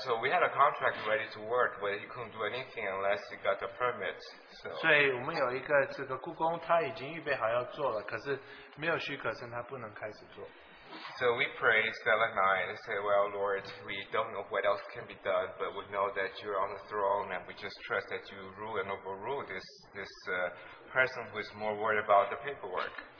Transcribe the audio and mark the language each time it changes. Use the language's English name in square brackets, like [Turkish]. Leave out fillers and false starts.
[English] so we had a contract ready to work, but he couldn't do anything unless he got the permit. So. [Chinese] 所以我们有一个这个故宫，他已经预备好要做了，可是没有许可证，他不能开始做。 [English] So we pray, Stella and I, and say, Well, Lord, we don't know what else can be done, but we know that you're on the throne, and we just trust that you rule and overrule this person who is more worried about the paperwork.